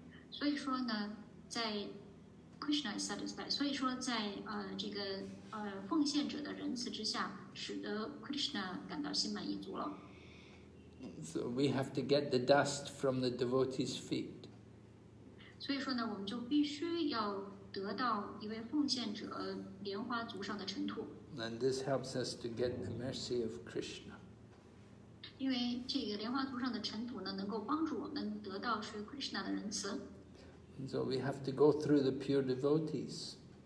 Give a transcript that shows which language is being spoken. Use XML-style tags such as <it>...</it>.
<zh>所以说呢，在 Krishna</zh> <en>is satisfied.</en> <zh>所以说在这个奉献者的仁慈之下，使得 Krishna 感到心满意足了。</zh> <en>So we have to get the dust from the devotee's feet.</en> <zh>所以说呢，我们就必须要得到一位奉献者莲花足上的尘土。</zh> <en>And this helps us to get the mercy of Krishna.</en> <zh>因为这个莲花足上的尘土呢，能够帮助我们得到是 Krishna 的仁慈。</zh> <en>And so we have to go through the pure devotees.</en>